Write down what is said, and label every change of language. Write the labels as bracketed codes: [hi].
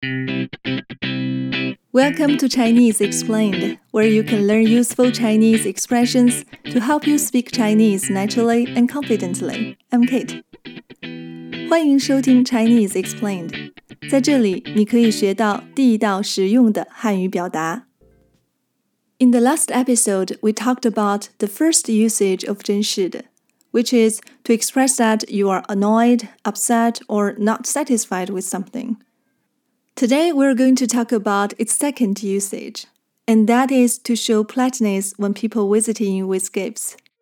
[en] Welcome to Chinese Explained, where you can learn useful Chinese expressions to help you speak Chinese naturally and confidently. I'm Kate. [zh] 欢迎收听 [en] Chinese Explained. [zh] 在这里你可以学到地道实用的汉语表达。 [en] In the last episode, we talked about the first usage of 真是的, which is to express that you are annoyed, upset, or not satisfied with something. Today, we're going to talk about its second usage, and that is to show politeness when people visiting you with gifts.